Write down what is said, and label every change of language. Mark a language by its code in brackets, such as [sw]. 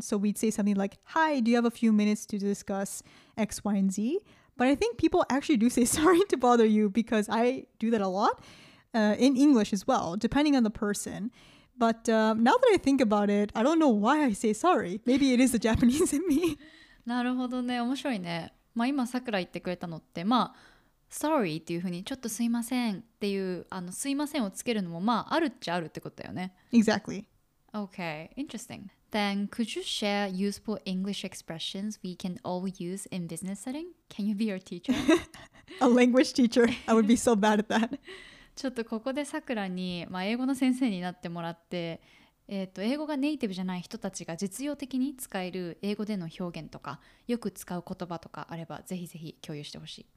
[en] So we'd say something like, hi, do you have a few minutes to discuss X, Y, and Z? But I think people actually do say sorry to bother you because I do that a lot in English as well, depending on the person. But now that I think about it, I don't know why I say sorry. Maybe it is the Japanese in me. [ja] なるほどね。面白いね。まあ今さくら言ってくれたのって、まあ、sorry っていうふうにちょっとすいませんっていう、あのすいませんをつけるのもまああるっちゃあるってことだよね。 [en] Exactly. Okay, interesting. Then could you share useful English expressions we can all use in business setting? Can you be our teacher? A language teacher. I would be so bad at that. [ja] ちょっとここでさくらに、まあ、英語の先生になってもらって、英語がネイティブじゃない人たちが実用的に使える英語での表現とかよく使う言葉とかあればぜひぜひ共有してほしい。